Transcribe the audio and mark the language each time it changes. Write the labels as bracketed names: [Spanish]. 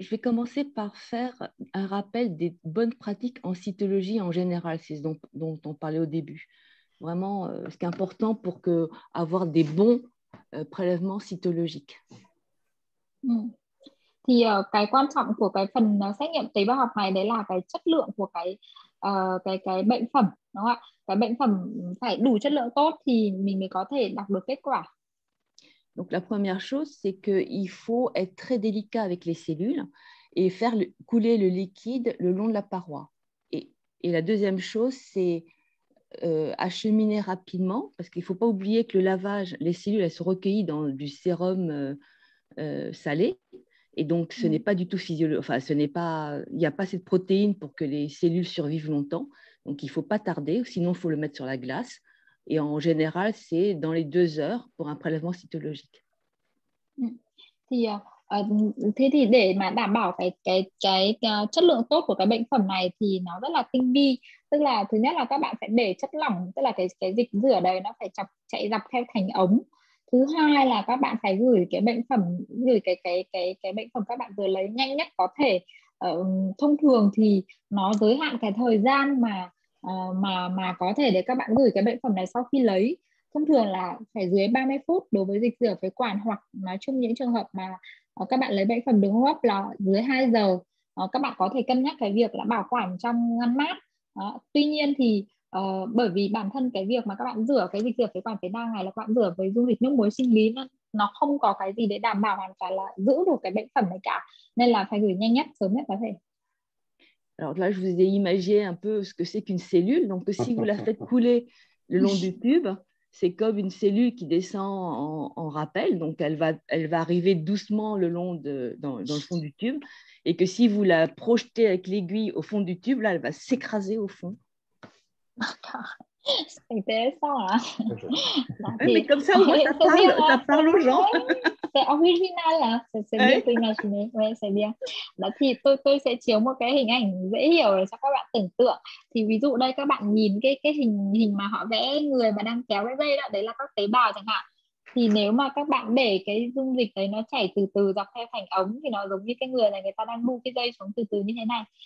[French] Je vais commencer par faire un rappel des bonnes pratiques en cytologie en général, c'est ce dont on parlait au début. Vraiment, ce qui est important pour que avoir des bons prélèvements cytologiques. [Vietnamese] Thì cái quan trọng của cái phần xét nghiệm tế bào học này đấy là cái chất lượng của cái bệnh phẩm, đúng không ạ? Cái bệnh phẩm phải đủ chất lượng tốt thì mình mới có thể đọc được kết quả. [French] Donc la première chose, c'est qu'il faut être très délicat avec les cellules et faire couler le liquide le long de la paroi. Et la deuxième chose, c'est acheminer rapidement, parce qu'il ne faut pas oublier que le lavage, les cellules, elles sont recueillies dans du sérum salé. Et donc, ce n'est pas du tout physiologique. Enfin, ce n'est pas, il n'y a pas cette protéine pour que les cellules survivent longtemps. Donc, il ne faut pas tarder, sinon il faut le mettre sur la glace. Et en général, c'est dans les deux heures pour un prélèvement cytologique. [Vietnamese] Thế thì để mà đảm bảo cái chất lượng tốt của cái bệnh phẩm này thì nó rất là tinh vi. Tức là thứ nhất là các bạn phải để chất lỏng, tức là cái dịch rửa đấy nó phải chạy dọc theo thành ống. Thứ hai là các bạn phải gửi cái bệnh phẩm, gửi cái bệnh phẩm các bạn vừa lấy nhanh nhất có thể. Thông thường thì nó giới hạn cái thời gian mà có thể để các bạn gửi cái bệnh phẩm này sau khi lấy, thông thường là phải dưới 30 phút đối với dịch rửa phế quản, hoặc nói chung những trường hợp mà các bạn lấy bệnh phẩm đường hô hấp là dưới 2 giờ, các bạn có thể cân nhắc cái việc là bảo quản trong ngăn mát. Tuy nhiên thì bởi vì bản thân cái việc mà các bạn rửa cái dịch rửa phế quản phế nang này là các bạn rửa với dung dịch nước muối sinh lý, nó không có cái gì để đảm bảo hoàn toàn là giữ được cái bệnh phẩm này cả, nên là phải gửi nhanh nhất, sớm nhất có thể. [French] Alors là, je vous ai imaginé un peu ce que c'est qu'une cellule. Donc, si vous la faites couler le long du tube, c'est comme une cellule qui descend en rappel. Donc, elle va arriver doucement le long dans le fond du tube. Et que si vous la projetez avec l'aiguille au fond du tube, là, elle va s'écraser au fond. D'accord. C'est intéressant, hein. Ouais, mais comme ça, au moins, ça parle aux gens. C'est original, hein? C'est bien que imaginer. Oui, c'est bien. [Vietnamese] Là, thì tôi sẽ chiếu một cái hình ảnh dễ hiểu để cho các bạn tưởng tượng. Thì ví dụ đây các bạn nhìn cái hình mà họ vẽ người mà đang kéo cái dây đó, đấy là các tế bào chẳng hạn. Thì nếu mà các bạn để cái dung dịch đấy nó chảy từ từ dọc theo thành ống thì nó giống như cái người này, người ta đang bu cái dây xuống từ từ như thế này.